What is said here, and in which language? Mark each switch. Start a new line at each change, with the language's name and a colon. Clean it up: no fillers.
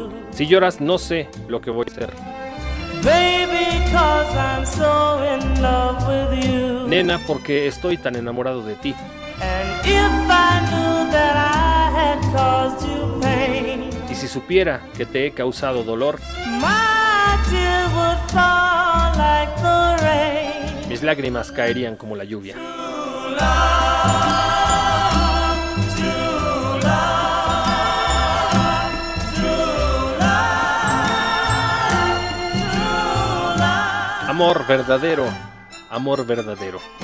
Spanish: Si lloras, no sé lo que voy a hacer.
English: Baby, 'cause I'm so in love with you.
Spanish: Nena, porque estoy tan enamorado de ti.
English: And if I knew that I had caused you pain,
Spanish: y si supiera que te he causado dolor,
English: my tears would fall like the rain.
Spanish: Mis lágrimas caerían como la lluvia. Amor verdadero, amor verdadero.